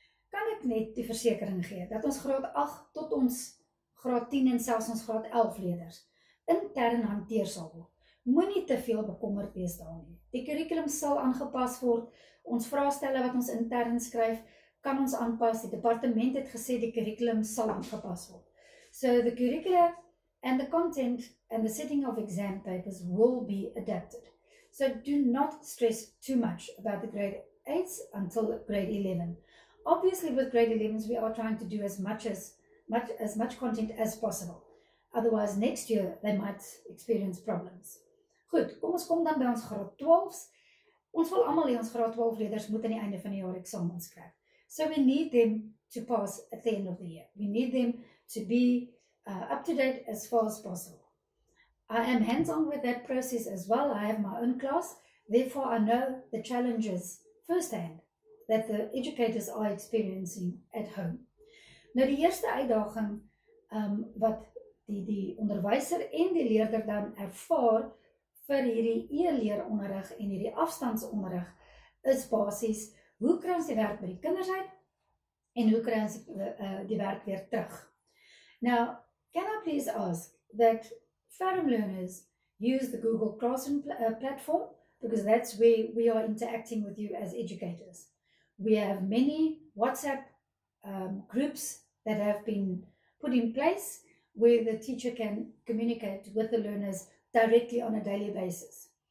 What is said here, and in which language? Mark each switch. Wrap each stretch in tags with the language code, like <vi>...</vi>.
<af>Kan ek net die versekering gee dat ons graad 8 tot ons graad 10 en selfs ons graad 11 leerders intern hanteer sal word. Moenie te veel bekommerd wees daarin nie. Die kurrikulum sal aangepas word. Ons vraestelle wat ons intern skryf, kan ons aanpas. Die departement het gesê die kurrikulum sal aangepas word.</af> <en>So the curricula and the content and the setting of exam papers will be adapted. So do not stress too much about the grade 8s until grade 11. Obviously with grade 11s we are trying to do as much content as possible. Otherwise next year they might experience problems.</en> <af>Goed, kom ons kom dan by ons graad 12s. Ons wil almal hê ons graad 12 leerders moet aan die einde van die jaar eksamens skryf.</af> <en>So we need them to pass at the end of the year. We need them to be up to date as far as possible. I am hands on with that process as well. I have my own class, therefore I know the challenges firsthand that the educators are experiencing at home.</en> <af>Nou die eerste uitdaging wat die onderwyser en die leerder dan ervaar vir hierdie e-leeronderrig en hierdie afstandsonderrig is basies, hoe kry ons die werk by die kinders uit en hoe kry ons die werk weer terug?</af> <en>Now, can I please ask that Ferrum learners use the Google Classroom platform, because that's where we are interacting with you as educators. We have many WhatsApp groups that have been put in place where the teacher can communicate with the learners directly on a daily basis.</en>